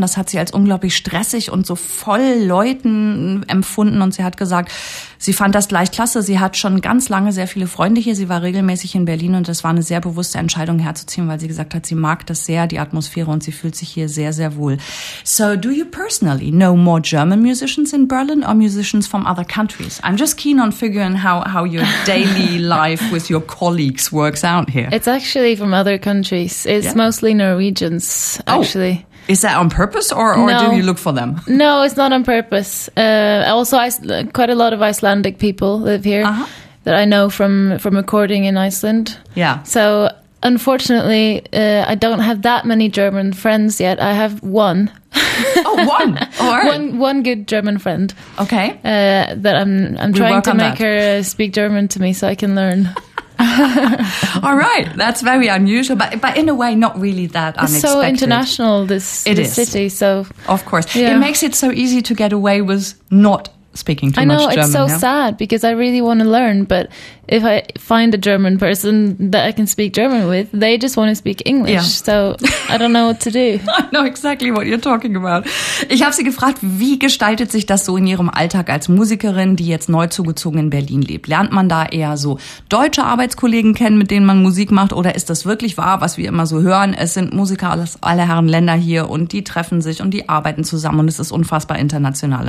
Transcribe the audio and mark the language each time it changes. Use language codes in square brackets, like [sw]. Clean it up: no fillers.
[de] Das hat sie als unglaublich stressig und so voll Leuten empfunden. Und sie hat gesagt, sie fand das gleich klasse. Sie hat schon ganz lange sehr viele Freunde hier. Sie war regelmäßig in Berlin und das war eine sehr bewusste Entscheidung herzuziehen, weil sie gesagt hat, sie mag das sehr, die Atmosphäre, und sie fühlt sich hier sehr, sehr wohl. [en] So do you personally know more German musicians in Berlin or musicians from other countries? I'm just keen on figuring how your daily life with your colleagues works out here. It's actually from other countries. It's mostly Norwegians, actually. Oh. Is that on purpose or no. Do you look for them? No, it's not on purpose. Also, quite a lot of Icelandic people live here that I know from recording in Iceland. Yeah. So, unfortunately, I don't have that many German friends yet. I have one. One good German friend. Okay. That I'm trying to make her speak German to me so I can learn. All right, that's very unusual, but in a way not really that unexpected. It's so international, this city. So of course, yeah. It makes it so easy to get away with not speaking too much German. I know, it's so sad because I really want to learn. But if I find a German person that I can speak German with, they just want to speak English. Yeah. So I don't know what to do. I know exactly what you're talking about. [de] Ich habe sie gefragt, wie gestaltet sich das so in ihrem Alltag als Musikerin, die jetzt neu zugezogen in Berlin lebt? Lernt man da eher so deutsche Arbeitskollegen kennen, mit denen man Musik macht? Oder ist das wirklich wahr, was wir immer so hören? Es sind Musiker aus aller Herren Länder hier und die treffen sich und die arbeiten zusammen und es ist unfassbar international.